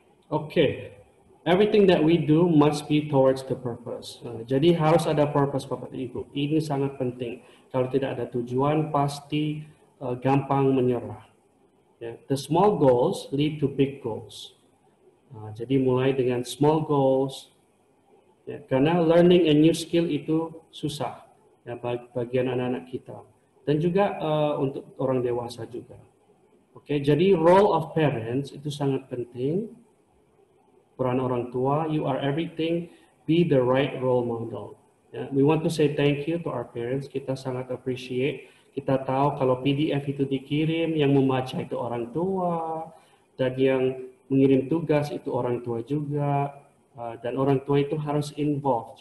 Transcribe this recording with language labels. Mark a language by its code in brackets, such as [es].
[en] Okay, everything that we do must be towards the purpose. [id] Jadi harus ada purpose, Bapak Ibu. Ini sangat penting. Kalau tidak ada tujuan, pasti gampang menyerah. Yeah. [en] The small goals lead to big goals. [id] Jadi mulai dengan small goals. [en] Yeah. [id] Karena [en] learning a new skill [id] itu susah, ya, bagian anak-anak kita. Dan juga untuk orang dewasa juga. [en] Okay. [id] Jadi [en] role of parents [id] itu sangat penting. Peran orang tua, [en] you are everything, be the right role model. Yeah. We want to say thank you to our parents, [id] kita sangat [en] appreciate. [id] Kita tahu kalau PDF itu dikirim, yang membaca itu orang tua, dan yang mengirim tugas itu orang tua juga, dan orang tua itu harus involved.